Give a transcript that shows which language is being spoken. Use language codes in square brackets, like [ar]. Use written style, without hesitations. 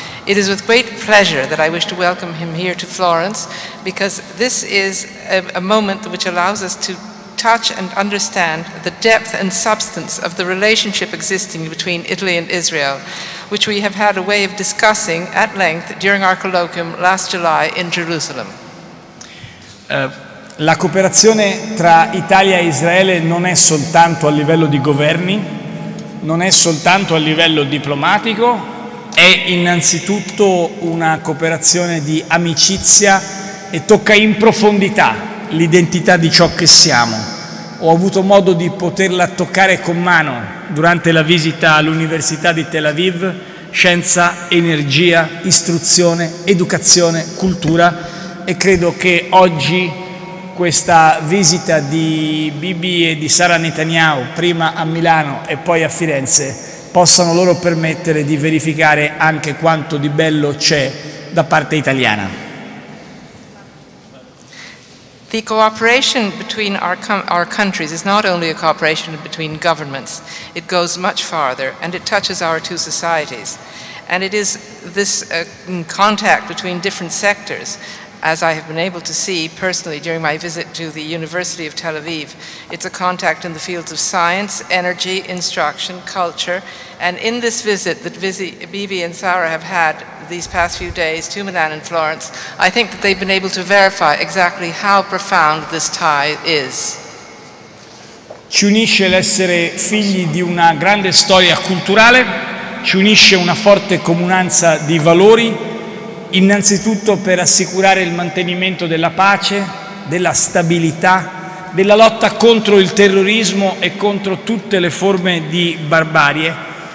[en] It is with great pleasure that I wish to welcome him here to Florence, because this is a moment which allows us to touch and understand the depth and substance of the relationship existing between Italy and Israel, which we have had a way of discussing at length during our colloquium last July in Jerusalem. [it] La cooperazione tra Italia e Israele non è soltanto a livello di governi, non è soltanto a livello diplomatico, è innanzitutto una cooperazione di amicizia e tocca in profondità l'identità di ciò che siamo. Ho avuto modo di poterla toccare con mano durante la visita all'Università di Tel Aviv, scienza, energia, istruzione, educazione, cultura, e credo che oggi questa visita di Bibi e di Sara Netanyahu, prima a Milano e poi a Firenze, possano loro permettere di verificare anche quanto di bello c'è da parte italiana. [en] The cooperation between our countries is not only a cooperation between governments, it goes much farther and it touches our two societies. And it is this contact between different sectors, as I have been able to see personally during my visit to the University of Tel Aviv, it's a contact in the fields of science, energy, instruction, culture, and in this visit that Bibi and Sara have had these past few days to Milan and Florence, I think that they've been able to verify exactly how profound this tie is. [it] Ci unisce l'essere figli di una grande storia culturale, ci unisce una forte comunanza di valori, innanzitutto per assicurare il mantenimento della pace, della stabilità, della lotta contro il terrorismo e contro tutte le forme di barbarie.